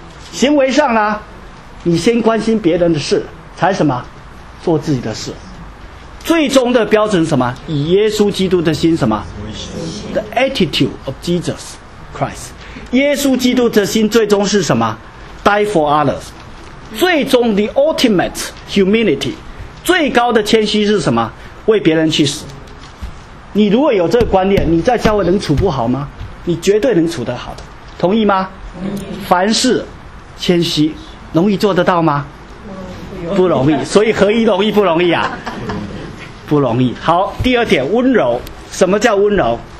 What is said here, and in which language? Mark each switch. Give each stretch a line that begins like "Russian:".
Chinese: 行为上呢，你先关心别人的事才什么做自己的事。最终的标准什么？以耶稣基督的心什么
English: The attitude of Jesus Christ，
Chinese: 耶稣基督的心最终是什么？
English: Die for others，
Chinese: 最终
English: the ultimate humility，
Chinese: 最高的谦虚是什么？为别人去死。你如果有这个观念，你在教会能处不好吗？你绝对能处得好的。同意吗？同意。凡事谦虚容易做得到吗？不容易。所以合一容易不容易啊？不容易。好，第二点，温柔。什么叫温柔？